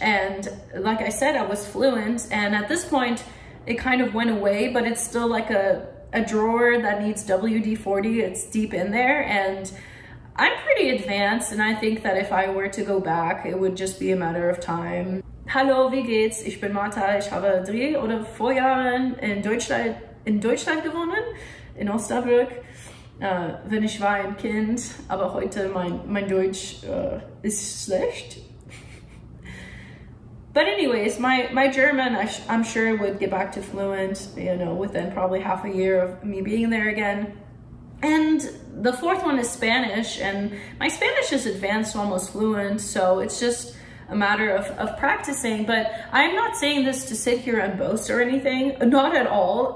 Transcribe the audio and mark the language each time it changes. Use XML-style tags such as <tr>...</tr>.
<en>And like I said, I was fluent. And at this point, it kind of went away, but it's still like a drawer that needs WD-40. It's deep in there. And I'm pretty advanced. And I think that if I were to go back, it would just be a matter of time.</en> <de>Hallo, wie geht's? Ich bin Marta. Ich habe 3 oder 4 Jahren in Deutschland gewohnt, in Osnabrück. Wenn ich war ein Kind, aber heute mein Deutsch ist schlecht.</de> <en>But anyways, my German, I'm sure would get back to fluent, you know, within probably half a year of me being there again. And the fourth one is Spanish, and my Spanish is advanced, almost fluent, so it's just a matter of practicing, but I'm not saying this to sit here and boast or anything, not at all.</en>